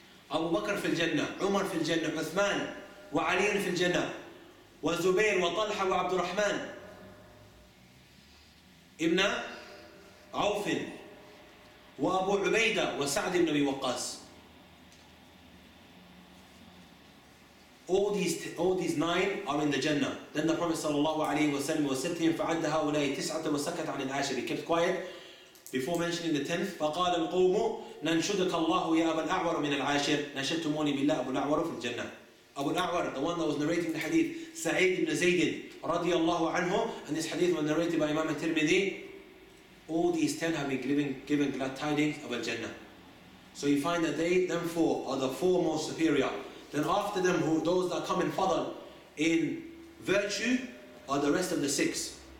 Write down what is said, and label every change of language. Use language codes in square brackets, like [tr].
[ar] أبو بكر في الجنة، عمر في الجنة، عثمان وعلي في الجنة، والزبير وطلحة وعبد الرحمن ابن عوف، وأبو عبيدة وسعد بن أبي وقاص. [en] All these nine are in the Jannah. Then the Prophet sallallahu alaihi wasallam was sent to him. فعد هؤلاء تسعة وسكت عن العاشر. He kept quiet before mentioning the tenth. [ar] فقال القوم ننشدك الله يا أبا الأعور من العاشر. نشدتموني بالله أبو الأعور في الجنة. [en] Abu al-A'war, the one that was narrating the hadith, Sa'id ibn Zaydin, radiyallahu anhu, and this hadith was narrated by Imam al-Tirmidhi, all these ten have been given glad tidings of al-Jannah. So you find that them four are the four most superior. Then after them, those that come in fadl, in virtue, are the rest of the six.